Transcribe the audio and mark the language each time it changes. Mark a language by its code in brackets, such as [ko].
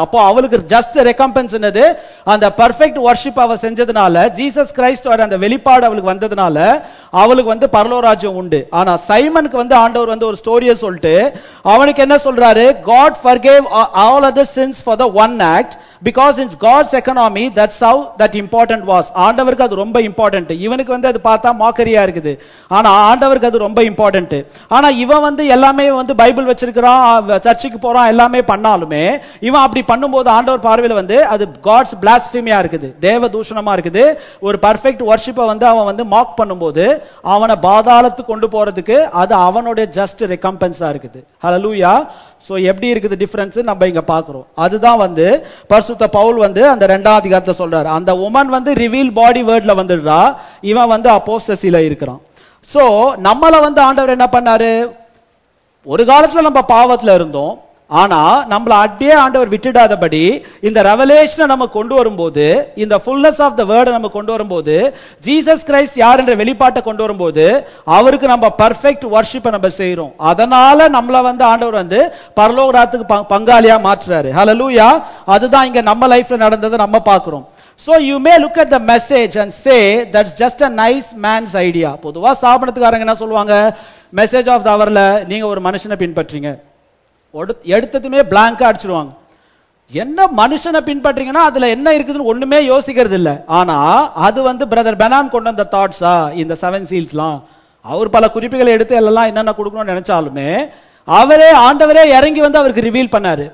[ta] அப்போ அவளுக்கு ஜஸ்ட் ரெக்கம்பன்ஸ் என்னது, அந்த பர்ஃபெக்ட் வர்ஷிப் அவ செஞ்சதுனால, ஜீசஸ் கிரைஸ்ட் அந்த வெளிப்பாடு அவளுக்கு வந்ததுனால அவளுக்கு வந்து பரலோராஜ்யம் உண்டு. ஆனா சைமனுக்கு வந்து ஆண்டவர் வந்து ஒரு ஸ்டோரியை சொல்லிட்டு அவனுக்கு என்ன சொல்றாரு, [en] God forgave all other sins for the one act, Because in God's economy, that's how that important was. [ta] ஆண்டவருக்கு அது ரொம்ப இம்பார்ட்டன்ட். இவனுக்கு வந்து அது பார்த்தா மாக்கரியா இருக்குது, ஆனா ஆண்டவருக்கு அது ரொம்ப இம்பார்ட்டன்ட். ஆனா இவன் வந்து எல்லாமே வந்து பைபிள் வச்சிருக்கிறான், சர்ச்சுக்கு போறான், எல்லாமே பண்ணாலுமே இவன் அப்படி பண்ணும்போது ஆண்டவர் பார்வையில் வந்து அது காட்ஸ் பிளாஸ்பீமியா இருக்குது, தேவ தூஷணமா இருக்குது. ஒரு பர்ஃபெக்ட் வர்ஷிப்பை வந்து அவன் வந்து மாக் பண்ணும்போது அவனை பாதாளத்துக்கு கொண்டு போறதுக்கு அது அவனுடைய ஜஸ்ட் ரெக்கம்பென்ஸா இருக்குது. ஹல்லேலூயா. சோ எப்படி இருக்குது டிஃபரன்ஸ் நம்ம இங்க பாக்குறோம். அதுதான் வந்து பரிசுத்த பவுல் வந்து அந்த ரெண்டாம் அதிகாரத்தை சொல்றாரு. அந்த உமன் வந்து ரிவீல் பாடி வேர்ட்ல வந்துடுறா, இவன் வந்து அப்போஸ்டசில இருக்கிறான். சோ நம்மள வந்து ஆண்டவர் என்ன பண்ணாரு, ஒரு காலத்துல நம்ம பாவத்துல இருந்தோம், ஆனா நம்மளை அப்படியே ஆண்டவர் விட்டுடாதபடி இந்த ரெவலேஷனை நம்ம கொண்டு வரும்போது, இந்த [en] fullness of the வேர்டை [ta] நம்ம கொண்டு வரும்போது, ஜீசஸ் கிரைஸ்ட் யார் என்ற வெளிப்பாட்டை கொண்டு வரும்போது, அவருக்கு நம்ம பர்ஃபெக்ட் வர்ஷிப்பை நம்ம செய்யறோம். அதனால நம்மளை வந்து ஆண்டவர் வந்து பரலோகராத்துக்கு பங்காளியா மாற்றுறாரு. ஹல்லேலூயா. அதுதான் இங்க நம்ம லைஃப்ல நடந்ததை நம்ம பாக்குறோம். [en] So you may look at the message and say that's just a nice man's idea. [ta] பொதுவா சாபனத்துக்காரங்க என்ன சொல்லுவாங்க, மெசேஜ் ஆஃப் த அவர்ல நீங்க ஒரு மனுஷனை பின்பற்றீங்க, எடுத்ததுமே பிளாங்கா அடிச்சிருவாங்க. என்ன மனுஷனை பின்பற்றீங்கன்னா அதுல என்ன இருக்குதுன்னு ஒண்ணுமே யோசிக்கிறது இல்ல. ஆனா அது வந்து பிரதர் பெனான் கொண்டு வந்த தாட்ஸா, இந்த செவன் சீல்ஸ் எல்லாம் அவர் பல குறிப்புகளை எடுத்து எல்லாம் என்னென்ன கொடுக்கணும்னு நினைச்சாலுமே அவரே ஆண்டவரே இறங்கி வந்து அவருக்கு ரிவீல் பண்ணாரு.